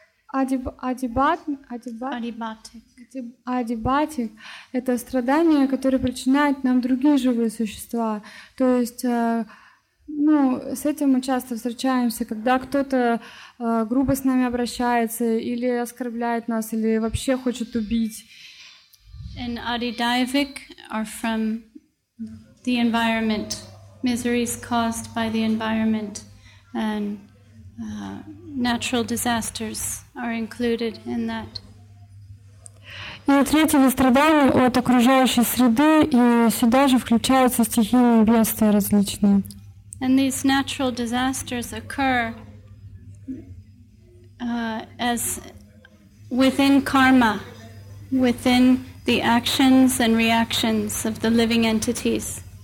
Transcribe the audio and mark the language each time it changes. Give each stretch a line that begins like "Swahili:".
Russian: Адибатик – это страдания, которые причиняют нам другие живые существа. То есть, ну, с этим мы часто встречаемся, когда кто-то грубо с нами обращается или оскорбляет нас, или вообще хочет убить.
English: And адидайвик are from the environment, miseries caused by the environment, and natural disasters are included in that.
Russian: И третье страдание от окружающей среды, и сюда же включаются стихийные бедствия различные.
English: And these natural disasters occur as within karma, within the actions and reactions of the living entities.